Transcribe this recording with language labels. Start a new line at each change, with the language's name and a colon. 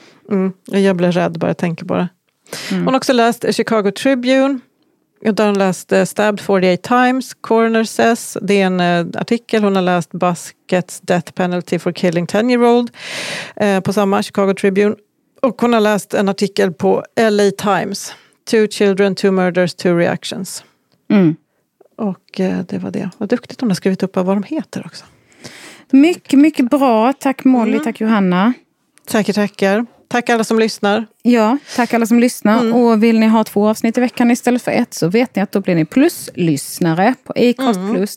Swedish: Mm, jag blev rädd bara jag tänker på det. Mm. Hon har också läst Chicago Tribune. Och där hon läst
English: Stabbed 48 Times, Coroner Says.
Swedish: Det är en artikel. Hon har läst
English: Buskets Death Penalty for Killing 10-year-old.
Swedish: På samma Chicago Tribune. Och hon har läst en artikel på LA Times.
English: 2 children, 2 murders, 2 reactions.
Swedish: Mm. Och det var det. Vad duktigt hon har skrivit upp vad de heter också. Mycket, mycket bra. Tack Molly, tack Johanna. Tackar, tackar. Tack alla som lyssnar. Ja, tack alla som lyssnar. Mm. Och vill ni ha 2 avsnitt i veckan istället för 1, så vet ni att då blir ni pluslyssnare på Acast Plus.